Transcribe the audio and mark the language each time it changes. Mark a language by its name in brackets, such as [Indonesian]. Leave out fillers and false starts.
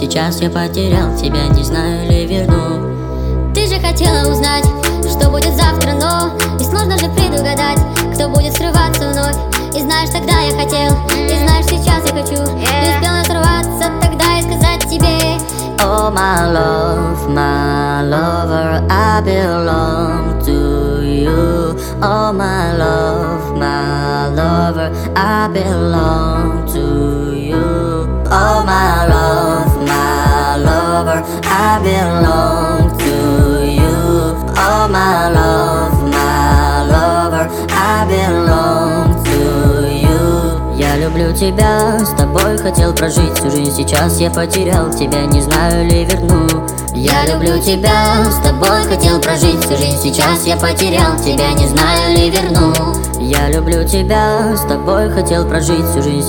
[Russian] Сейчас я потерял тебя, не знаю ли верну. Ты же хотела узнать, что будет завтра, но и сложно же предугадать, кто будет срываться вновь. И знаешь, тогда я хотел, и знаешь, сейчас я хочу. Не успела сорваться тогда и сказать тебе: [English] oh my love, my lover, I belong. Oh my lover, I belong to you. Oh my lover, I belong to you. Oh my lover, I belong to you. [Russian] Я люблю тебя, с тобой хотел прожить всю жизнь. Сейчас я потерял тебя, не знаю ли верну. Я люблю тебя, с тобой хотел прожить всю жизнь. Сейчас я потерял тебя, не знаю ли верну. Я люблю тебя, с тобой хотел прожить всю жизнь.